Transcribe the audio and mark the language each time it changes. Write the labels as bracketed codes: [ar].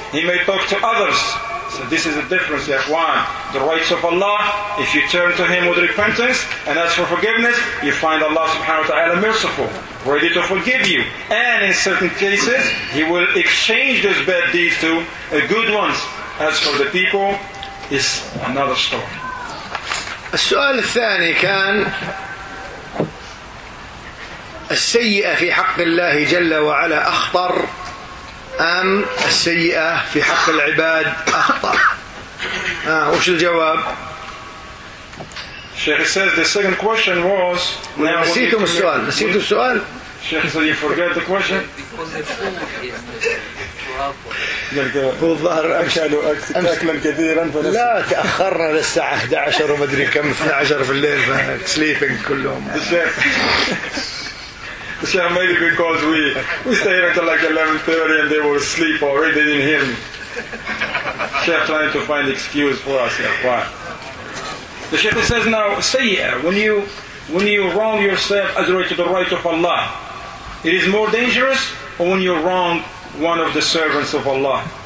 [en] He may talk to others. So this is the difference, that one, the rights of Allah, if you turn to Him with repentance and ask for forgiveness, you find Allah subhanahu wa ta'ala merciful, ready to forgive you. And in certain cases, He will exchange those bad deeds to good ones. As for the people, it's another story. [ar] السؤال الثاني كان السيئة في حق الله جل وعلا أخطر أم السيئة في حق العباد أخطر؟ وش الجواب؟ [en] Sheikh says the second question was. [ar] نسيتم السؤال. نسيتم السؤال. [en] Sheikh said you forget the question. [ar] هو الظاهر أكلوا أكلا كثيرا. لا تأخرنا للساعة 11 وما أدري كم 12 في الليل sleeping كلهم. [en] So maybe because we stayed until like 11:30 and they were asleep already, they didn't hear me. Sheikh trying to find excuse for us. Yeah. Why? The Sheikh says now, Sayyah, when you wrong yourself as related to the right of Allah, it is more dangerous or when you wrong one of the servants of Allah?